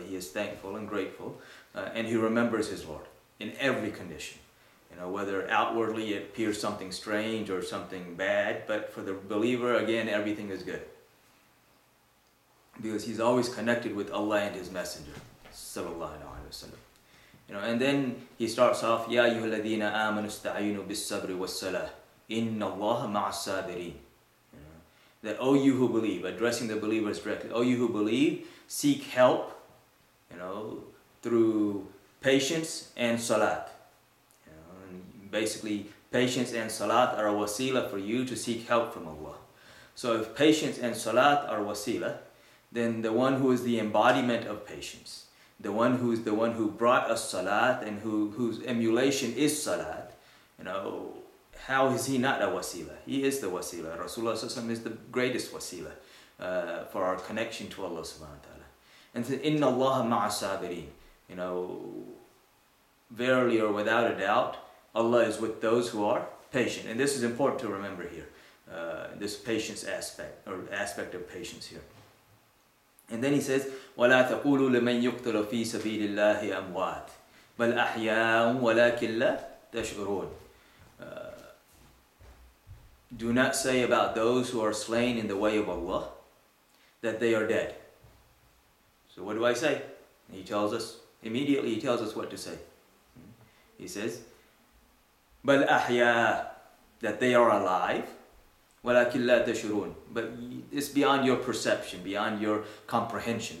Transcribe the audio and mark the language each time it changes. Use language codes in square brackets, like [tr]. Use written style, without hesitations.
[en] He is thankful and grateful, and he remembers his Lord in every condition. You know, whether outwardly it appears something strange or something bad, but for the believer, again, everything is good. Because he's always connected with Allah and his messenger, sallallahu alaihi wasallam. You know, and then he starts off, [ar] يَا أَيُّهَا الَّذِينَ آمَنُوا اسْتَعِينُوا بِالصَّبْرِ وَالصَّلَاةِ إِنَّ اللَّهَ مَعَ الصَّابِرِينَ. [en] You know, that, oh you who believe, addressing the believers directly, oh you who believe, seek help, you know, through patience and salat. Basically, patience and salat are a wasila for you to seek help from Allah. So if patience and salat are wasila, then the one who is the embodiment of patience, the one who brought us salat and whose emulation is salat, you know, how is he not a wasila? He is the wasila. Rasulullah is the greatest wasila for our connection to Allah subhanahu wa ta'ala. And so, [ar] inna Allah ma'a sabirin, [en] you know, verily or without a doubt, Allah is with those who are patient. And this is important to remember here, this patience aspect, or aspect of patience here. And then he says, [ar] وَلَا تَقُولُوا لِمَنْ يُقْتَلُ فِي سَبِيلِ اللَّهِ أَمْوَاتِ بَلْ أَحْيَاءٌ وَلَكِنْ لَا تَشْعُرُونَ. [en] Do not say about those who are slain in the way of Allah that they are dead. So what do I say? He tells us, immediately he tells us what to say. He says, [ar] بَلْ أَحْيَا, [en] that they are alive, [ar] وَلَكِنْ لَا تَشْعُرُونَ, [en] but it's beyond your perception, beyond your comprehension.